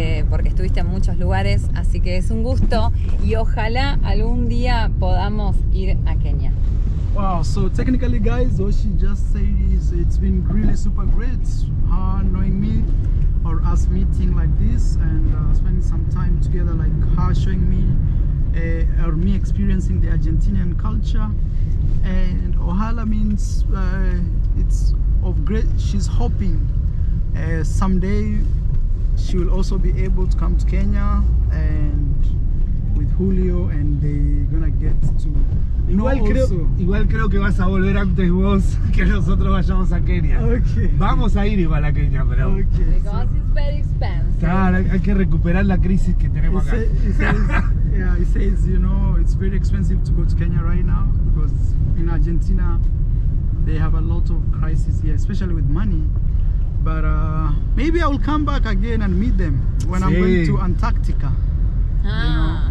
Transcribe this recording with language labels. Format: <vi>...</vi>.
<es>Porque estuviste en muchos lugares, así que es un gusto y ojalá algún día podamos ir a Kenia.</es> <en>Wow, so technically guys, what she just said is it's been really super great knowing me or us meeting like this and spending some time together, like her showing me or me experiencing the Argentinian culture. And Ojalá means it's of great, she's hoping someday she will also be able to come to Kenya and with Julio, and they're gonna get to</en> <es>igual creo que vas a volver antes vos que nosotros vayamos a Kenia.</es> <en>Okay.</en> <es>Vamos a ir igual a Kenia, pero</es> <en>because it's very expensive.</en> <es>Claro, hay que recuperar la crisis que tenemos acá.</es> <en>It says, yeah, it says, you know, it's very expensive to go to Kenya right now because in Argentina they have a lot of crisis here, especially with money. But maybe I will come back again and meet them when I'm going to Antarctica. Ah.</en>